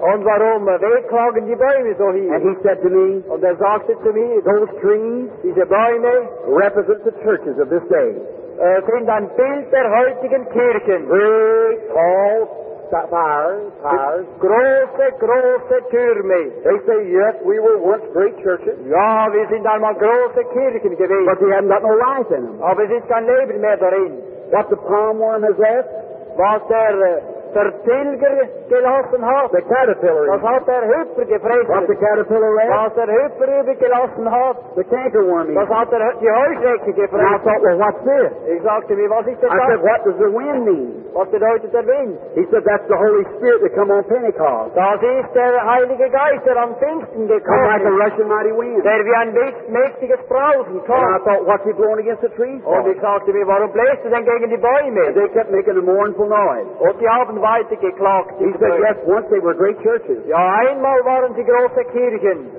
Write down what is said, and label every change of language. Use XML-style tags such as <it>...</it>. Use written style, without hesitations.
<de>Und warum wehklagen die Bäume so hier?</de> <en>And he said to me,</en> <de>und sagte zu mir,</de> <en>those trees,</en> <de>diese Bäume,</de> <en>represent the churches of this day.</en> <de>Sind ein Bild der heutigen Kirchen.</de> <en>Great, tall, towers.</en> <de>Große, große Türme.</de> <en>They say, yes, we were once great churches.</en> <de>Ja, wir sind einmal große Kirchen gewesen.</de> <en>But they haven't got no life in them.</en> <de>Aber es ist kein Leben mehr darin.</de> <en>What the palm worm has left?</en> <de>Was der Vertilger gelassen hat.</de> <en>The caterpillar.</en> <de>Was hat der Hüpfer gefressen?</de> <en>What's the caterpillar left?</en> <de>Was der Hüpfer übrig gelassen hat.</de> <en>The cankerworm.</en> <de>Was hat der die Heuschrecke gefressen?</de> <en>And I thought, well, what's this?</en> <de>Ich sagte mir, was ist das?</de> <en>I said, what does the wind mean?</en> <de>Was bedeutet der Wind?</de> <en>He said, that's the Holy Spirit that come on Pentecost.</en> <de>Das ist der Heilige Geist, der am Pfingsten gekommen.</de> <en>Come like a rushing mighty wind.</en> <de>Der wie ein mächtiges Brausen kommt.</de> <en>And I thought, what's he blowing against the trees?</en> <de>Und ich sagte mir, warum bläst du denn gegen die Bäume?</de> <en>And they kept making a mournful noise.</en> <de>Und die haben</de> <en>he said, yes, once they were great churches.</en> <de>Ja, einmal waren sie große Kirchen.</de>